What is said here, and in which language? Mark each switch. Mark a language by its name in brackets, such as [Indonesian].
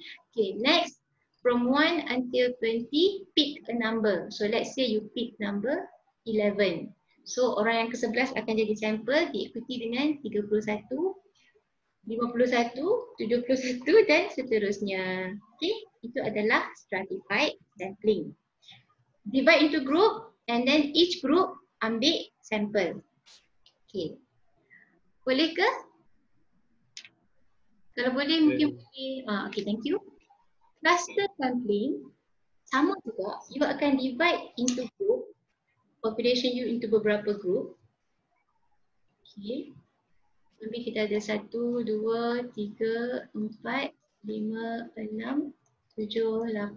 [English] Okay, next, from 1 until 20, pick a number. So let's say you pick number 11. [Malay] So orang yang ke-11 akan jadi sample diikuti dengan 31, 51, 71 dan seterusnya. Okay, itu adalah stratified sampling. [English] Divide into group and then each group ambil sample. [Malay] Okay. Boleh ke? Kalau boleh, mungkin boleh. [English] Okay, thank you. Cluster sampling, [Malay] sama juga, [English] you akan divide into group, population you into beberapa group. Okay. [Malay] Maybe kita ada 1, 2, 3, 4, 5, 6, 7, 8, 9.